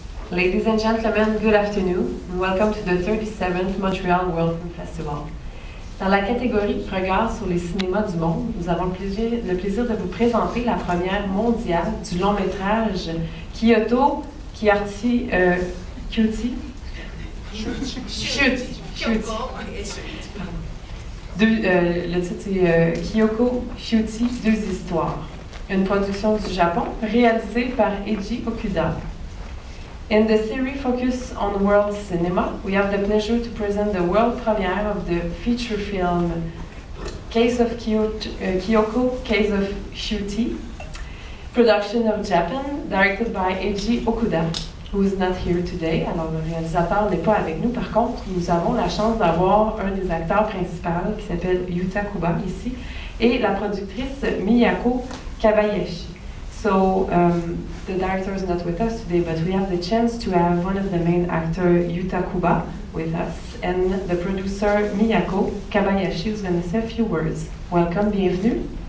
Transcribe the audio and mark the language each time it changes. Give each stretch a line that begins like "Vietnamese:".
English: Ladies and gentlemen, good afternoon, and welcome to the 37th Montreal World Film Festival.
French: Dans la catégorie « Regards sur les cinémas du monde », nous avons le plaisir de vous présenter la première mondiale du long-métrage Kyoto Kyoko Shuti, deux histoires. Une production du Japon, réalisée par Eiji Okuda.
English: In the series Focus on World Cinema, we have the pleasure to present the world premiere of the feature film Case of Kyoko, Case of Shuti, production of Japan, directed by Eiji Okuda, who is not here today.
French: Alors, le réalisateur n'est pas avec nous. Par contre, nous avons la chance d'avoir un des acteurs principaux qui s'appelle Yuta Kuba ici et la productrice Miyako Kabayashi.
English: So the director is not with us today, but we have the chance to have one of the main actors, Yuta Kuba, with us, and the producer, Miyako Kabayashi, who's going to say a few words. Welcome,
French: bienvenue.